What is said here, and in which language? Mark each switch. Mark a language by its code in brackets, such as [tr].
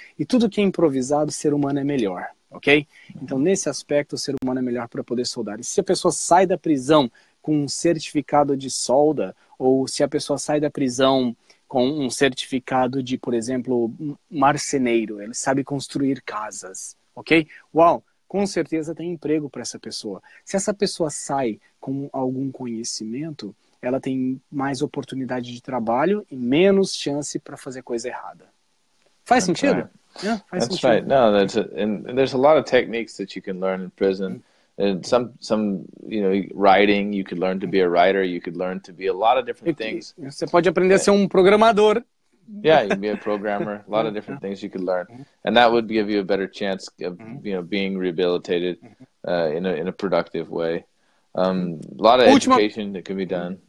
[pt] E tudo que é improvisado, o ser humano é melhor, ok? Então, nesse aspecto, o ser humano é melhor para poder soldar. E se a pessoa sai da prisão com um certificado de solda, ou se a pessoa sai da prisão com um certificado de, por exemplo, marceneiro, ele sabe construir casas, ok? Uau! Com certeza tem emprego para essa pessoa. Se essa pessoa sai com algum conhecimento, ela tem mais oportunidade de trabalho e menos chance para fazer coisa errada. Faz [en] that's [pt] sentido? [en] Right. Yeah, that's sentido. Right. No, that's and there's a lot of techniques that you can learn in prison. And some you know, writing, you could learn to be a writer, you could learn to be a lot of different things. [pt] Você pode aprender a ser programador. [en] Yeah, you can be a programmer, a lot of different things you could learn. And that would give you a better chance of, you know, being rehabilitated in a productive way. A lot of education that can be done.